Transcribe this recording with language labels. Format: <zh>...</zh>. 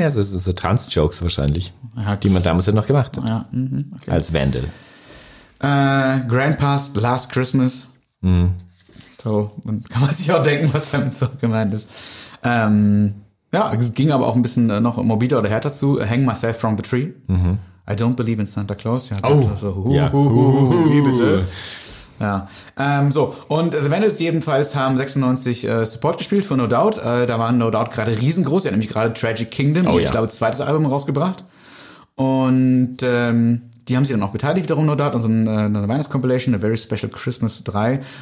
<de>Ja, so Trans-Jokes wahrscheinlich, die man damals ja noch gemacht hat. Ja, okay. Als Wendel.</de> <en>Grandpa's Last Christmas. Mhm.</en> <de>So, dann kann man sich auch denken, was damit so gemeint ist. Ja, es ging aber auch ein bisschen noch morbider oder härter zu.</de> <en>Hang Myself from the Tree. Mhm. I don't believe in Santa Claus.</en> <de>Ja, oh, so, wie bitte. Ja, so, und The Vandals jedenfalls haben 96 Support gespielt für No Doubt. Da waren No Doubt gerade riesengroß. Sie hat nämlich gerade Tragic Kingdom, oh, ja, ich glaube, zweites Album rausgebracht. Und die haben sich dann auch beteiligt wiederum, No Doubt, also eine Weihnachts-Compilation, A Very Special Christmas 3.</de>